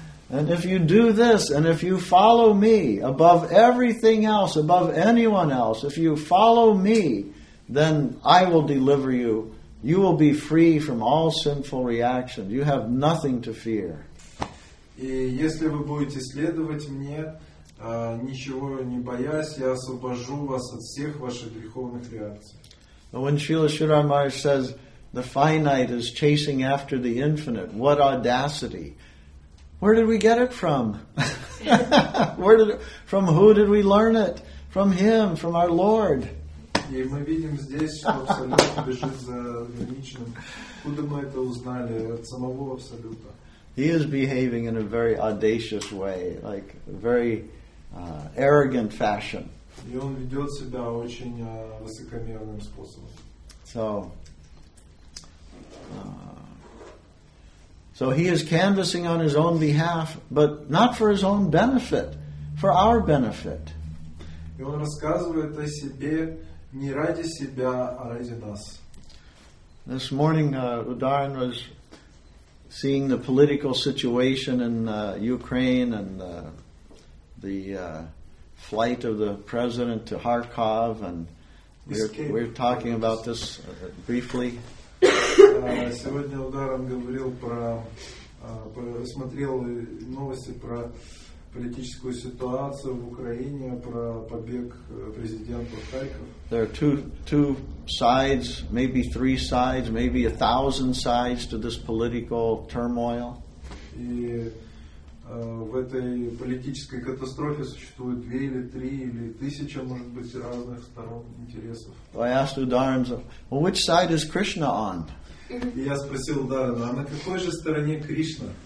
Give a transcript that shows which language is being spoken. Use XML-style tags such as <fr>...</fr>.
<en>And if you do this, and if you follow me above everything else, above anyone else, if you follow me, then I will deliver you. You will be free from all sinful reactions. You have nothing to fear.</en> <ru>И если вы будете следовать мне, ничего не боясь, я освобожу вас от всех ваших греховных реакций.</ru> <en>But when Srila Sridhar Maharaj says, the finite is chasing after the infinite, what audacity! Where did we get it from? From who did we learn it? From him, from our Lord.</en> <ru>И мы видим здесь, что Абсолют бежит за ограниченным. Куда мы это узнали? От самого Абсолюта.</ru> <en>He is behaving in a very audacious way, like a very arrogant fashion.</en> <ru>И он ведет себя очень высокомерным способом.</ru> <en>So he is canvassing on his own behalf, but not for his own benefit, for our benefit.</en> <ru>И он рассказывает о себе не ради себя, а ради нас.</ru> <en>This morning, Udayan was seeing the political situation in Ukraine and the flight of the president to Kharkov, and we're talking about this briefly.</en> <ru>Сегодня Ударан говорил про, смотрел новости про политическую ситуацию в Украине, про побег президента в Харьков.</ru> <en>There are two sides, maybe three sides, maybe 1,000 sides to this political turmoil.</en> <ru>И в этой политической катастрофе существует две или три или тысяча, может быть, разных сторон интересов.</ru> <en>I asked Udharana, well, which side is Krishna on?</en> <ru>И я спросил Дарана, а на какой же стороне Кришна?</ru>